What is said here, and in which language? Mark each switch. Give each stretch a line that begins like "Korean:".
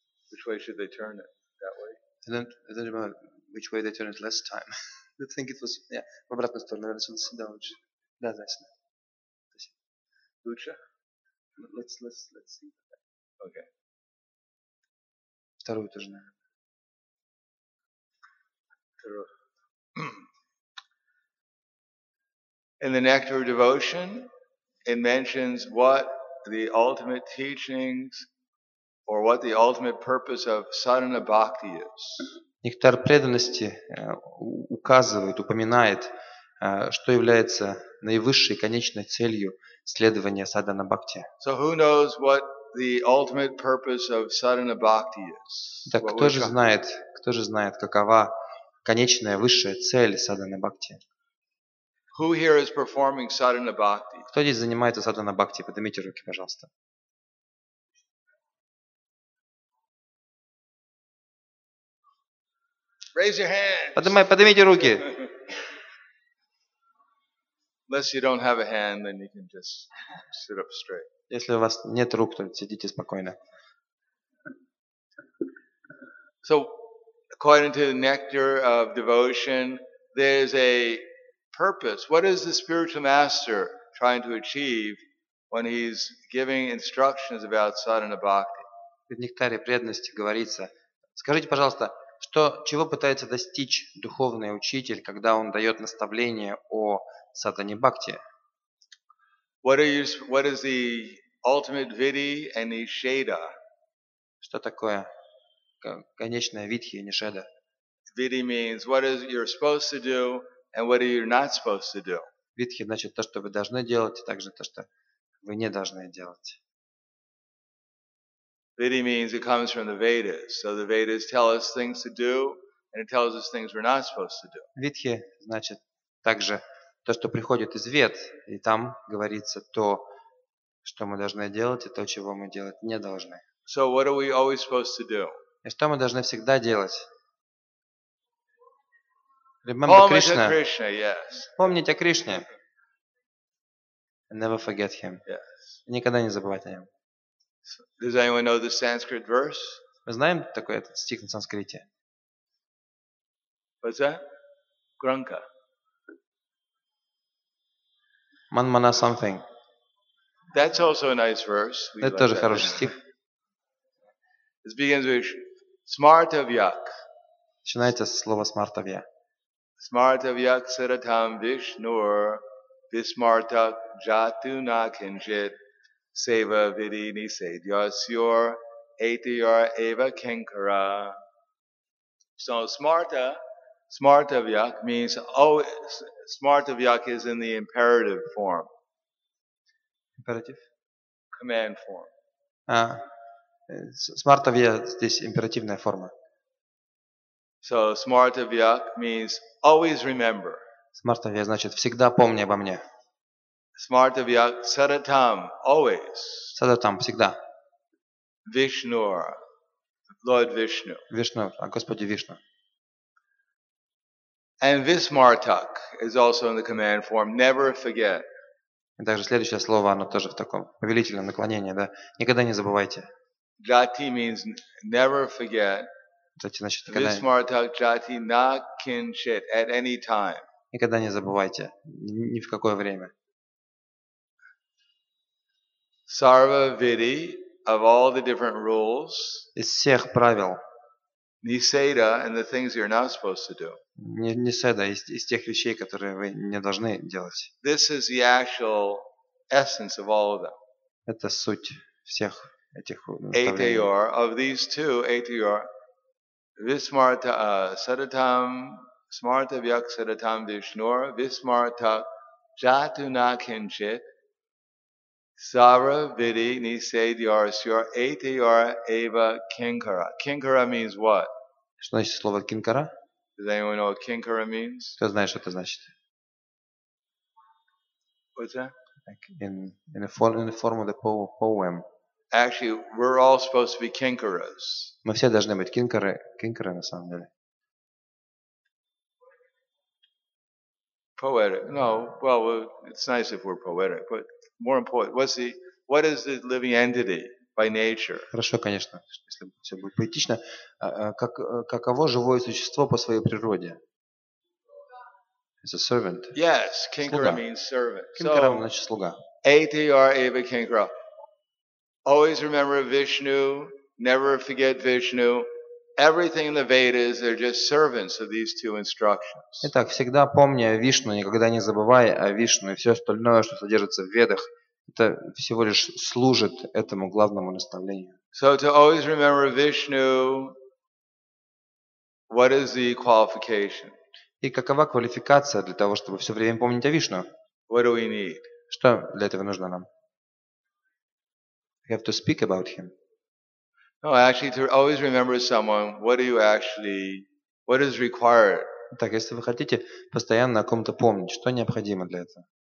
English: Which way should they turn it? That way? I don't remember which way they turned it last time. I think it was, yeah,
Russian: в обратную сторону, наверное, сюда лучше. Да, значит. Лучше?
English: Let's see. Okay.
Russian: Вторую тоже, наверное.
English: In the Nectar of Devotion, it mentions what the ultimate teachings or what the ultimate purpose of sadhana bhakti is.
Russian: Нектар преданности указывает, упоминает, что является наивысшей конечной целью следования садхана бхакти.
English: So who knows what the ultimate purpose of sadhana bhakti is?
Russian: Так кто же знает, какова конечная высшая цель садхана бхакти?
English: Who here is performing sadhana bhakti?
Russian: Кто здесь занимается садхана бхакти? Поднимите руки, пожалуйста.
English: Raise your hands.
Russian: Поднимите руки.
English: Unless you don't have a hand, then you can just sit up straight.
Russian: Если у вас нет рук, то сидите спокойно.
English: So, according to the Nectar of Devotion, there's a purpose. What is the spiritual master trying to achieve when he's giving instructions about sadhana bhakti?
Russian: В Нектаре преданности говорится. Скажите, пожалуйста, чего пытается достичь духовный учитель, когда он дает наставление о садхане бхакти?
English: What is the ultimate vidhi and nisheda?
Russian: Что такое конечная видхи и нишеда?
English: Vidhi means what is you're supposed to do and what are you not supposed to do.
Russian: Видхи значит то, что вы должны делать, и также то, что вы не должны делать.
English: Vidhi means it comes from the Vedas. So the Vedas tell us things to do, and it tells us things we're not supposed to do.
Russian: Vidhi значит также то, что приходит из Вед, и там говорится то, что мы должны делать, и то, чего мы делать не должны.
English: So what are we always supposed to do?
Russian: И что мы должны всегда делать?
English: Krishna, yes.
Russian: Помнить о Кришне.
English: Never forget him. Yes.
Russian: Никогда не забывать о нем.
English: Does anyone know the Sanskrit verse?
Russian: Мы знаем такой этот стих на санскрите.
English: What's that? Granka. Manmana something. That's also a nice verse.
Russian: Это like тоже хороший стих.
English: It begins with smartavyak.
Russian: Начинается с слова смартавья.
Sanskrit: Smartavyak saratam vishnur vismartak jatu na kinjit. Seva vidhi nisedyasyor etiyar eva kinkara.
English: So smartavyak means always. Smartavyak is in the imperative form. Imperative? Command form.
Russian: Smartavya здесь императивная форма.
English: So smartavyak means always remember.
Russian: Smartavya значит всегда помни обо мне.
English: Smartavyak saratam, always.
Russian: Saratam, всегда.
English: Vishnur, Lord Vishnu.
Russian: Vishnu, а Господи Вишну.
English: And this martak is also in the command form, never forget.
Russian: И также следующее слово, оно тоже в таком повелительном наклонении, да? Никогда не забывайте.
English: Jati means never forget.
Russian: Jati, значит,
English: this
Sanskrit: martak jati na kinchit
English: at any time.
Russian: Никогда не забывайте, ни в какое время.
English: Sarva vidhi, of all the different rules.
Russian: Из всех правил.
English: Niseda and the things you're not supposed to do.
Russian: Niseda, из тех вещей, которые вы не должны делать.
English: This is the actual essence of all of them.
Russian: Это суть всех этих
Sanskrit: Etayor, of these two, Etayor, Vismarta Sadatam, Smarta Vyak Sadatam Vishnur, Vismarta Jatuna Kinchit, Sara Vidi Nisedyar Syur Etayor Eva Kinkara.
English: Kinkara means what?
Russian: Что значит слово кинкара?
English: Does anyone know what kinkara means?
Russian: Кто знает, что это значит?
English: What's that? Like in the form of the poem. Actually, we're all supposed to be kinkaras.
Russian: Мы все должны быть кинкары на самом деле.
English: Poetic. No, well, it's nice if we're poetic, but more important, what is the living entity? By nature.
Russian: Хорошо, конечно, если все будет поэтично. Каково живое существо по своей природе?
English: It's a servant. Yes, kinkara means servant.
Russian: Кинкара значит слуга.
Sanskrit: Etayor eva kinkara.
English: Always remember Vishnu. Never forget Vishnu. Everything in the Vedas, they're just servants of these two instructions.
Russian: Итак, всегда помни о Вишну, никогда не забывай о Вишну и все остальное, что содержится в Ведах. Это всего лишь служит этому главному наставлению.
English: So to always remember Vishnu, what is the qualification?
Russian: И какова квалификация для того, чтобы все время помнить о Вишну?
English: What do we need?
Russian: Что для этого нужно нам?
English: We have to speak about him. No, actually, to always remember someone, what is required?
Russian: Так, если вы хотите постоянно о ком-то помнить, что необходимо для этого?